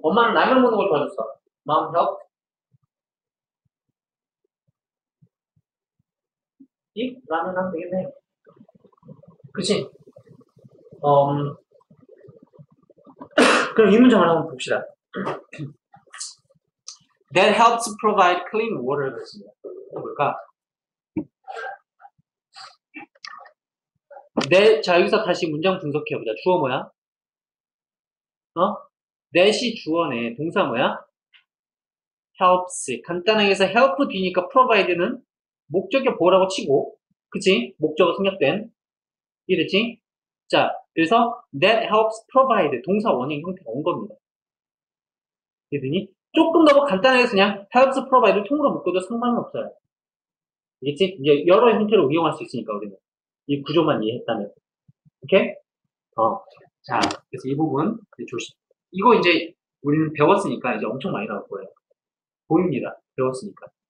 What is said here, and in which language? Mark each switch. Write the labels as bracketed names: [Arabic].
[Korean] 엄마는 라면 먹는 걸 도와줬어. [English] Mom helped. [Korean] 이? 라면 하면 되겠네. 그치? 그럼 이 문장을 한번 봅시다. [English] That helps provide clean water. [Korean] 해볼까? That, 자, 여기서 다시 문장 분석해보자. 주어 뭐야? 어? That이 주어네. 동사 뭐야? Helps. 간단하게 해서 help 뒤니까 provide는 목적어 보라고 치고. 그치? 목적어 생략된. 이랬지? 자, 그래서 [English] that helps provide. [Korean] 동사 원인 형태가 온 겁니다. 이랬더니 조금 더 간단하게 그냥 helps provide를 통으로 묶어도 상관은 없어요. 이랬지? 이제 여러 형태로 이용할 수 있으니까 우리는. 이 구조만 이해했다면. 오케이? 자, 그래서 이 부분, 이거 이제 우리는 배웠으니까 이제 엄청 많이 나올 거예요. 보입니다. 배웠으니까.